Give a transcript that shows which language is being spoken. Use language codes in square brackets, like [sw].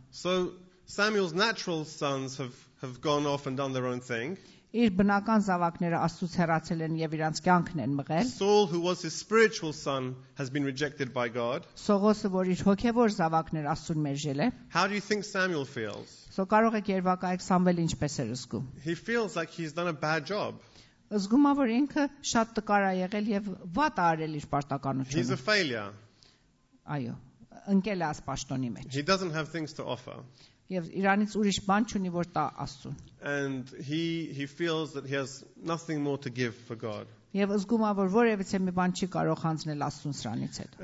[en] So Samuel's natural sons have gone off and done their own thing. [hy] Իր բնական զավակները Աստծուց հեռացել են եւ իրանց կյանքն են մղել։ [en] Saul, who was his spiritual son, has been rejected by God. [hy] Սողոսը, որ իր հոգեվոր զավակներ Աստծուն մերժել է։ [en] How do you think Samuel feels? [hy] Սո կարող եք երևակայեք Սամվելը ինչպես էր զգում։ [en] He feels like he's done a bad job. [hy] Զգում է, որ ինքը շատ տկար է եղել եւ վատ է արել իր պարտականությունը։ [en] He's a failure. [hy] Այո, ընկել է աս պաշտոնի մեջ։ [en] He doesn't have things to offer. [hy] Եվ Իրանից ուրիշ բան չունի որ տա Աստծուն։ [en] And he feels that he has nothing more to give for God. [hy] Եվ զգում ա որ որևիցե մի բան չի կարող հանձնել Աստծուն սրանից հետո.